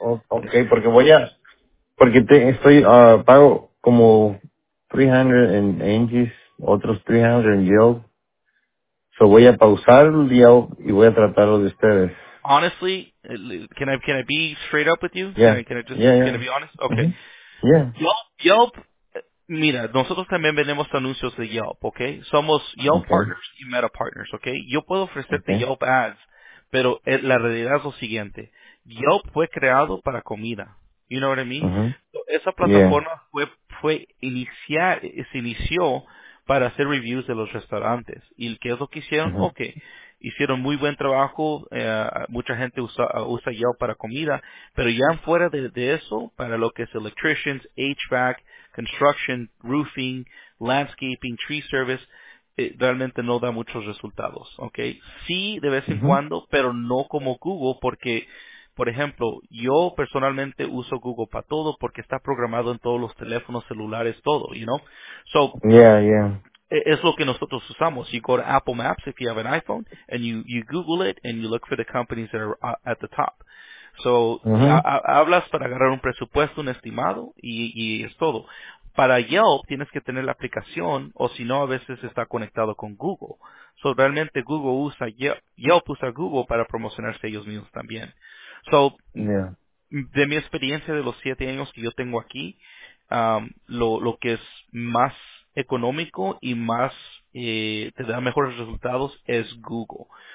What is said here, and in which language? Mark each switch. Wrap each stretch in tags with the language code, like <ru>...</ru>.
<es>Okay, porque pago como 300 en Angie's, otros 300 en Yield. So voy a pausar el Yield y voy a tratar los de ustedes.</es> <en>Honestly, can I be straight up with you? Yeah. Can I be honest? Okay. Mm-hmm. Yeah.</en> <es>Yelp, mira, nosotros también vendemos anuncios de Yelp, okay? Somos Yelp okay. partners y Meta partners, okay? Yo puedo ofrecerte okay. Yelp ads, pero la realidad es lo siguiente. Yelp fue creado para comida.</es> <en>You know what I mean? Mm-hmm.</en> <es>Esa plataforma se inició para hacer reviews de los restaurantes. ¿Y qué es lo que hicieron? Mm-hmm. Okay. Hicieron muy buen trabajo, mucha gente usa Yelp para comida, pero ya fuera de eso, para lo que es electricians, HVAC, construction, roofing, landscaping, tree service, realmente no da muchos resultados, okay? Sí, de vez en uh-huh. cuando, pero no como Google, porque, por ejemplo, yo personalmente uso Google para todo, porque está programado en todos los teléfonos celulares, todo,</es> <en>you know?</en> <es>So, yeah, yeah. Es lo que nosotros usamos.</es> <en>You go to Apple Maps if you have an iPhone, and you Google it, and you look for the companies that are at the top. So, uh-huh.</en> <es>hablas para agarrar un presupuesto, un estimado, y es todo. Para Yelp tienes que tener la aplicación, o si no, a veces está conectado con Google. So, realmente Google usa Yelp usa Google para promocionarse ellos mismos también. So, de mi experiencia de los 7 años que yo tengo aquí, lo que es más económico y más te da mejores resultados es Google.</es>